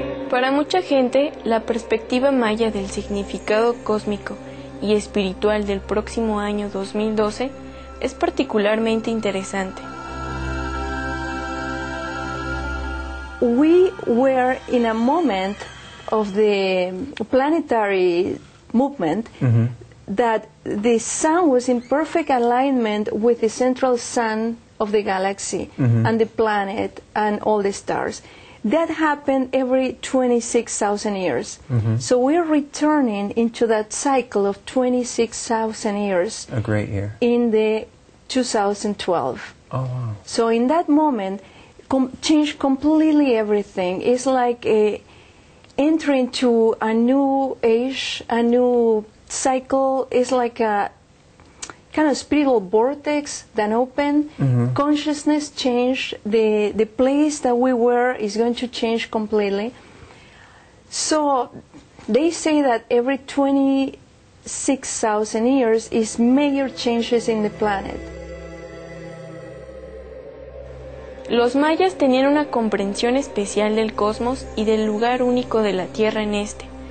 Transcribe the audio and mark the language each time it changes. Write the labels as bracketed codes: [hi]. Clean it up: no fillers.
[es] Para mucha gente, la perspectiva maya del significado cósmico y espiritual del próximo año 2012 es particularmente interesante. [en] We were in a moment of the planetary movement that the sun was in perfect alignment with the central sun of the galaxy and the planet and all the stars. That happened every 26,000 years. So we're returning into that cycle of 26,000 years. A great year. In the 2012. Oh, wow. So in that moment, changed completely everything. It's like a entering to a new age, a new cycle. Is like a kind of spiritual vortex that opened. Consciousness changed. The place that we were is going to change completely. So they say that every 26,000 years is major changes in the planet. [es] Los mayas tenían una comprensión especial del cosmos y del lugar único de la Tierra en este.